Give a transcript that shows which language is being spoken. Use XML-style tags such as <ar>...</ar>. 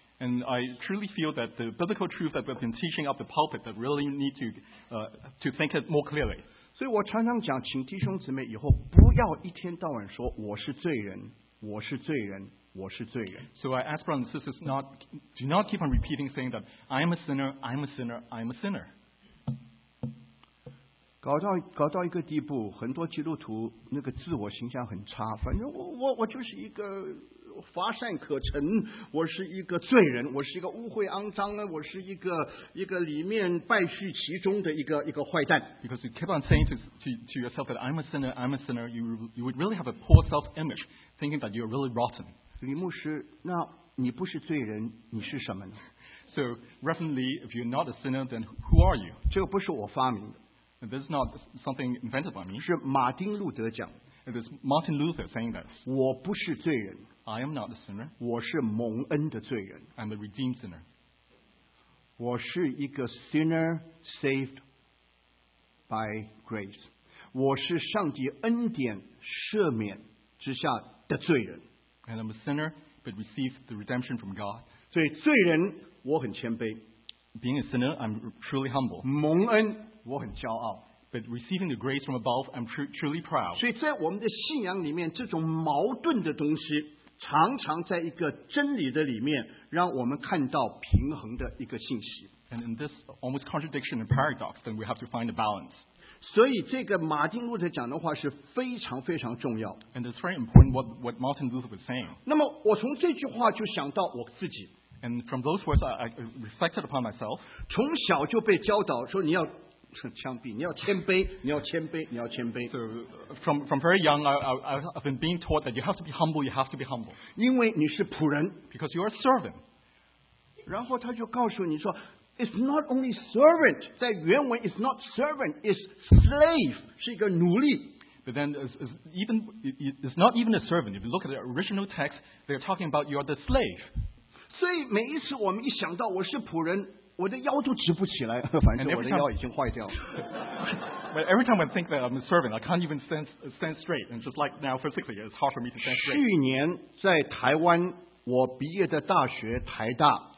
<en>And I truly feel that the biblical truth that we've been teaching up the pulpit that really need to think it more clearly.</en> <zh>所以我常常讲，请弟兄姊妹以后不要一天到晚说我是罪人，我是罪人，我是罪人。</zh> <en>So I ask brothers and sisters do not keep on repeating saying that I'm a sinner, I'm a sinner, I'm a sinner.</en> <zh>搞到一个地步，很多基督徒那个自我形象很差，反正我就是一个。乏善可陈，我是一个罪人，我是一个污秽肮脏，我是一个里面败絮其中的一个坏蛋。</zh> <en>Because you keep on saying to yourself that I'm a sinner, I'm a sinner, you would really have a poor self-image, thinking that you're really rotten.</en> <zh>李牧师，那你不是罪人，你是什么呢</zh> <en>？So, reverently, if you're not a sinner, then who are you?</en> <zh>这个不是我发明的。</zh> <en>And、this is not something invented by me.</en> <zh>是马丁路德讲。</zh> <en>It is Martin Luther saying that.</en> <zh>我不是罪人。</zh> <en>I am not a sinner.</en> <zh>我是蒙恩的罪人。</zh> <en>I'm a redeemed sinner.</en> <zh>我是一个</zh> <en>sinner saved by grace.</en> <zh>我是上帝恩典赦免之下的罪人。</zh> <en>And I'm a sinner, but received the redemption from God.</en> <zh>所以罪人，我很谦卑。</zh> <en>Being a sinner, I'm truly humble.</en> <zh>蒙恩，我很骄傲。</zh> <en>But receiving the grace from above, I'm truly proud.</en> <zh>所以在我们的信仰里面，这种矛盾的东西。常常在一个真理的里面，让我们看到平衡的一个信息。</zh> <en>And in this almost contradiction and paradox, then we have to find a balance.</en> <zh>所以这个马丁路德讲的话是非常非常重要。</zh> <en>And it's very important what Martin Luther was saying.</en> <zh>那么我从这句话就想到我自己。</zh> <en>And from those words, I reflected upon myself.</en> <zh>从小就被教导说你要。枪毙！你要谦卑，你要谦卑，你要谦卑。</zh> <en>So from very young, I've been being taught that you have to be humble, you have to be humble.</en> <zh>因为你是仆人</zh> <en>，because you are a servant.</en> <zh>然后他就告诉你说 ，</zh> <en>it's not only servant.</en> <zh>在原文</zh> <en>，it's not servant, it's slave,</en> <zh>是一个奴隶。</zh> <en>But then it's not even a servant. If you look at the original text, they're talking about you are the slave.</en> <zh>所以每一次我们一想到我是仆人。我的腰都直不起来，反正我的腰已经坏掉了。</zh> <en>But every time I think that I'm a servant, I can't even stand straight. And just like now, physically, it's hard for me to stand straight.</en> <zh>去年在台湾，我毕业的大学台大。</zh>